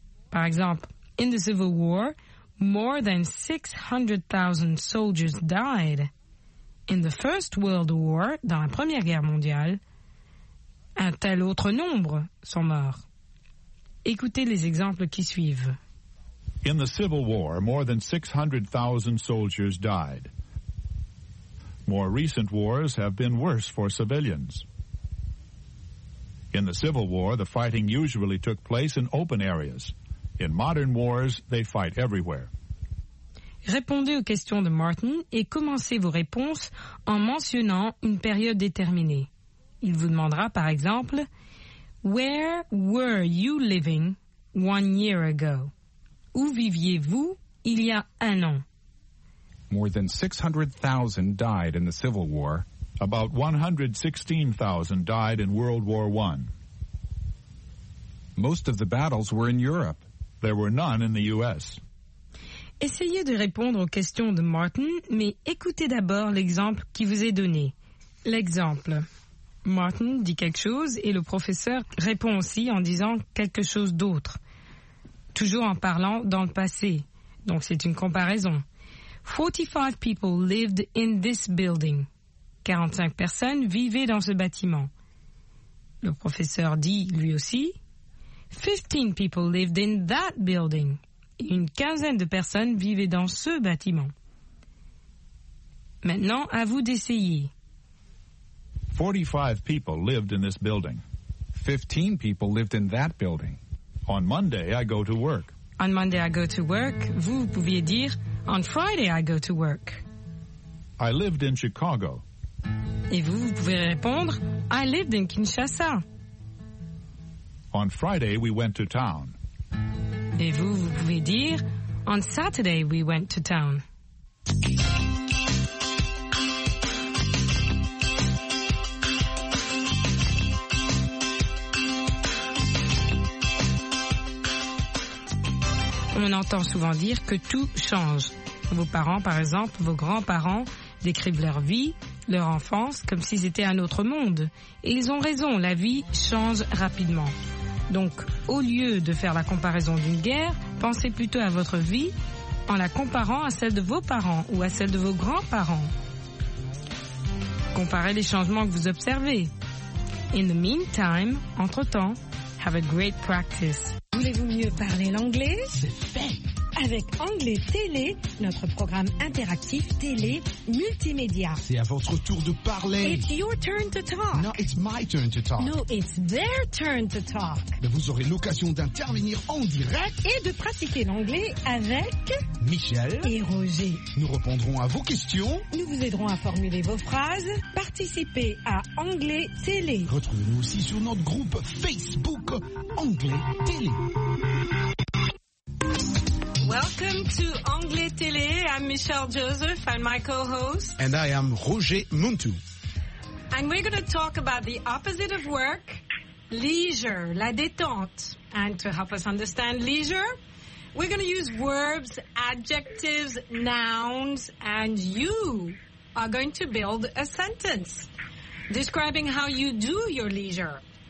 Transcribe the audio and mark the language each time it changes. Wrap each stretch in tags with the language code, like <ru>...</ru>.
<fr>Par exemple,</fr> <en>« In the Civil War », More than 600,000 soldiers died. In the First World War,</en> <fr>dans la Première Guerre mondiale, un tel autre nombre sont morts. Écoutez les exemples qui suivent.</fr> <en>In the Civil War, more than 600,000 soldiers died. More recent wars have been worse for civilians. In the Civil War, the fighting usually took place in open areas. In modern wars, they fight everywhere.</en> <fr>Répondez aux questions de Martin et commencez vos réponses en mentionnant une période déterminée. Il vous demandera, par exemple, «</fr> <en>Where were you living 1 year ago?</en> <fr>» Où viviez-vous il y a un an?</fr> <en>More than 600,000 died in the Civil War. About 116,000 died in World War I. Most of the battles were in Europe. There were none in the U.S.</en> <fr>Essayez de répondre aux questions de Martin, mais écoutez d'abord l'exemple qui vous est donné. L'exemple. Martin dit quelque chose et le professeur répond aussi en disant quelque chose d'autre. Toujours en parlant dans le passé. Donc c'est une comparaison.</fr> <en>45 people lived in this building.</en> <fr>45 personnes vivaient dans ce bâtiment. Le professeur dit lui aussi.</fr> <en>15 people lived in that building.</en> <fr>Une quinzaine de personnes vivaient dans ce bâtiment. Maintenant, à vous d'essayer.</fr> <en>45 people lived in this building. 15 people lived in that building. On Monday, I go to work. On Monday, I go to work.</en> <fr>Vous pouviez dire,</fr> <en>on Friday, I go to work. I lived in Chicago.</en> <fr>Et vous, vous pouvez répondre,</fr> <en>I lived in Kinshasa. On Friday, we went to town.</en> <fr>Et vous, vous pouvez dire,</fr> <en>on Saturday, we went to town.</en> <fr>On entend souvent dire que tout change. Vos parents, par exemple, vos grands-parents décrivent leur vie leur enfance comme si c'était un autre monde. Et ils ont raison, la vie change rapidement. Donc, au lieu de faire la comparaison d'une guerre, pensez plutôt à votre vie en la comparant à celle de vos parents ou à celle de vos grands-parents. Comparez les changements que vous observez.</fr> <en>In the meantime,</en> <fr>entre-temps,</fr> <en>have a great practice.</en> <fr>Voulez-vous mieux parler l'anglais? C'est fait! Avec Anglais Télé, notre programme interactif télé multimédia. C'est à votre tour de parler.</fr> <en>It's your turn to talk. No, it's my turn to talk. No, it's their turn to talk.</en> <fr>Mais vous aurez l'occasion d'intervenir en direct. Et de pratiquer l'anglais avec... Michel. Et Roger. Nous répondrons à vos questions. Nous vous aiderons à formuler vos phrases. Participez à Anglais Télé. Retrouvez-nous aussi sur notre groupe Facebook Anglais Télé.</fr> <en>Welcome to Anglais Télé. I'm Michelle Joseph. I'm my co-host. And I am Roger Muntu. And we're going to talk about the opposite of work, leisure, la détente. And to help us understand leisure, we're going to use verbs, adjectives, nouns, and you are going to build a sentence describing how you do your leisure.</en>